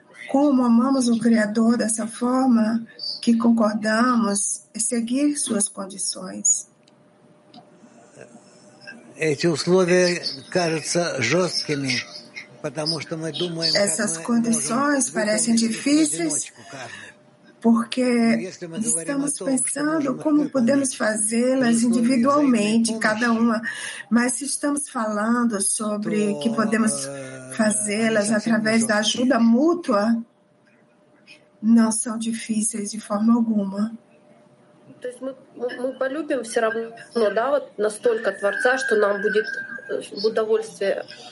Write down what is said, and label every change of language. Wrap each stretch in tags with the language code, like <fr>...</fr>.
<pt>Como amamos o Criador dessa forma que concordamos em seguir suas condições?</pt> <ru>Эти условия кажутся жесткими, потому что мы думаем, как</ru> <pt>essas condições parecem difíceis, porque estamos pensando como podemos fazê-las individualmente, cada uma. Mas se estamos falando sobre que podemos fazê-las através da ajuda mútua, não são difíceis de forma alguma.</pt> <ru>Мы полюбим все равно, да, вот настолько Творца, что нам будет удовольствие.</ru>